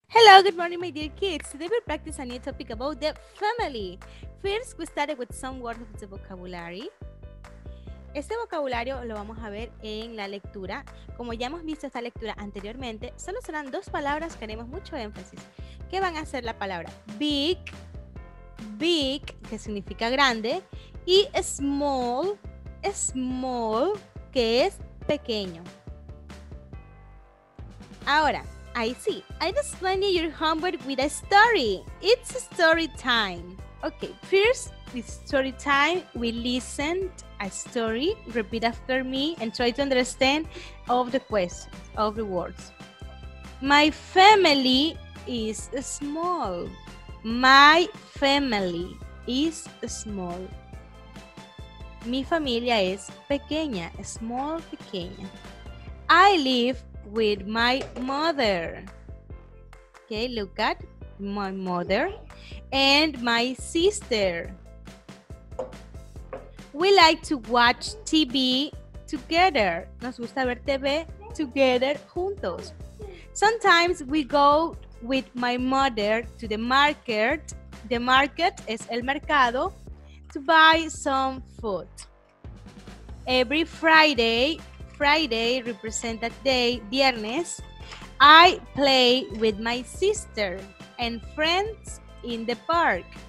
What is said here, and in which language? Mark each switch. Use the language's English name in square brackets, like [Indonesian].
[English] Hello, good morning, my dear kids. Today we'll practice a new topic about the family. First, we started with some words of the vocabulary. [Spanish] Este vocabulario lo vamos a ver en la lectura. Como ya hemos visto esta lectura anteriormente, solo serán dos palabras que haremos mucho énfasis. ¿Qué van a ser la palabra? [English] Big, big, [Spanish] que significa grande, y [English] small, small, [Spanish] que es pequeño. Ahora, [English] I see. I just explained your homework with a story. It's story time. Okay, first, with story time, we listened a story. Repeat after me and try to understand all the questions, all the words. My family is small. My family is small. [Spanish] Mi familia es pequeña, [English] small, [Spanish] pequeña. [English] I live with my mother. Okay, look at my mother and my sister. We like to watch TV together. [Spanish] Nos gusta ver TV [English] together, [Spanish] juntos. [English] Sometimes we go with my mother to the market. The market [Spanish] es el mercado, [English] to buy some food. Every Friday represents a day, viernes. I play with my sister and friends in the park.